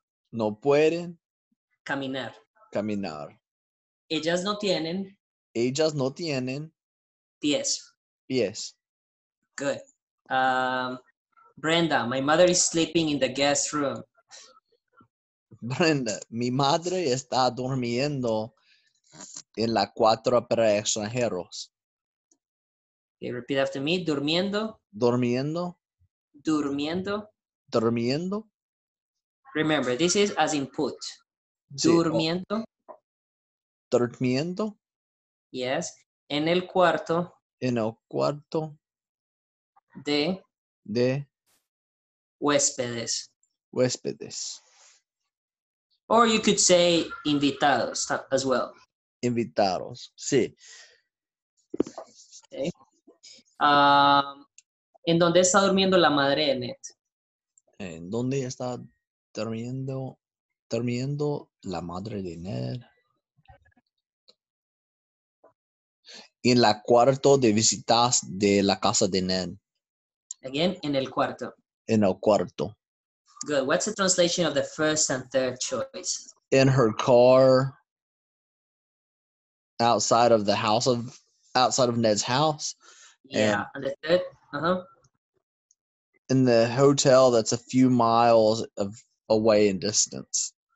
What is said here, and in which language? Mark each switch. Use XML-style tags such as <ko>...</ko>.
<es>No pueden. Caminar. Ellas no tienen. Pies.</es> <en>Good. Brenda, my mother is sleeping in the guest room.</en> <es>Brenda, mi madre está durmiendo en la cuatro para extranjeros.</es> <en>Okay, repeat after me.</en> <es>Durmiendo. Durmiendo. Durmiendo. Durmiendo.</es> <en>Remember, this is as input.</en> <es>Durmiendo. Sí. Durmiendo.</es> <en>Yes.</en> <es>En el cuarto. En el cuarto. De. Huéspedes. Huéspedes.</es> <en>Or you could say invitados as well.</en> <es>Invitados, sí.</es> <en>Okay.</en> <es>¿En dónde está durmiendo la madre, Net? ¿En dónde está durmiendo la madre de Net? En la cuarto de visitas de la casa de Net. Again, en el cuarto. En el cuarto.</es> <en>Good. What's the translation of the first and third choice? In her car, outside of Ned's house. Yeah, and the third, In the hotel that's a few miles away in distance.</en>